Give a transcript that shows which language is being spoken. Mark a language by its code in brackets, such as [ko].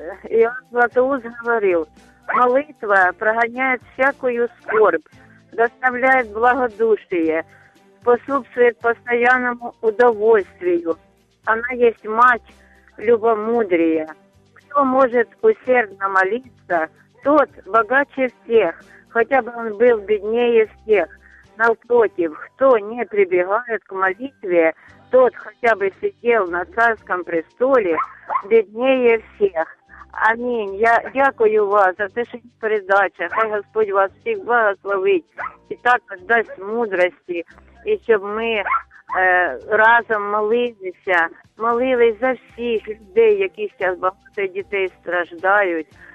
[uk] Іван Златоуст говорив, молитва проганяє всякою скорб, доставляє благодушие, способствує постійному удовольствию. Вона є мать любомудрія. Хто може усердно молитися, [ru] тот богаче всех, хотя бы он был беднее всех. Напротив, кто не прибегает к молитве, тот хотя бы сидел на царском престоле, беднее всех. Аминь. [uk] Я дякую вас за те, що передача. Хай Господь вас всіх благословить і так дасть мудрості, і щоб ми разом молилися, молились за всіх людей, які зараз багато дітей страждають.